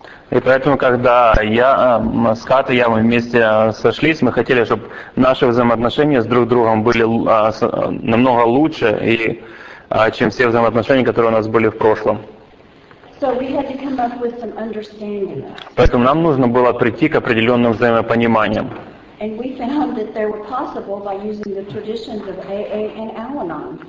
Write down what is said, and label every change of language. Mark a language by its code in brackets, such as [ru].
[ru] И поэтому, когда Скат и я мы вместе сошлись, мы хотели, чтобы наши взаимоотношения с друг другом были намного лучше, и чем все взаимоотношения, которые у нас были в прошлом. [en] So we had to come up with some understanding. [ru] Поэтому нам нужно было прийти к определенным взаимопониманиям. [en] And we found that they were possible by using the traditions of AA and Al-Anon.